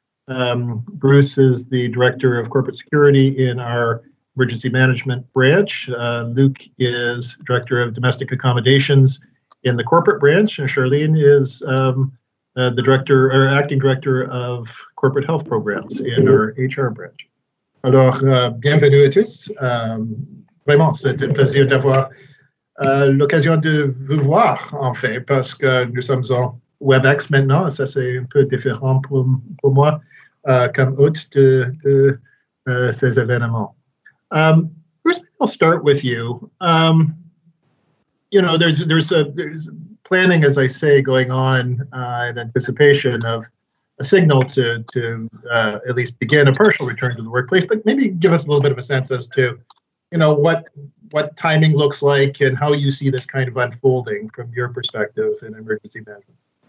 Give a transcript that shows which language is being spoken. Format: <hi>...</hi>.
<en>Bruce is the Director of Corporate Security in our Emergency Management Branch. Luc is Director of Domestic Accommodations in the Corporate Branch. And Charlene is the Director or Acting Director of Corporate Health Programs in our HR Branch.</en> <fr>Alors, bienvenue à tous. Vraiment, c'est un plaisir d'avoir l'occasion de vous voir, en fait, parce que nous sommes en WebEx maintenant. Ça, c'est un peu différent pour moi. Comme hôte de ces événements.</fr> <en>Bruce, I'll start with you. You know, there's planning, as I say, going on in anticipation of a signal to at least begin a partial return to the workplace. But maybe give us a little bit of a sense as to, you know, what timing looks like and how you see this kind of unfolding from your perspective in emergency management.</en>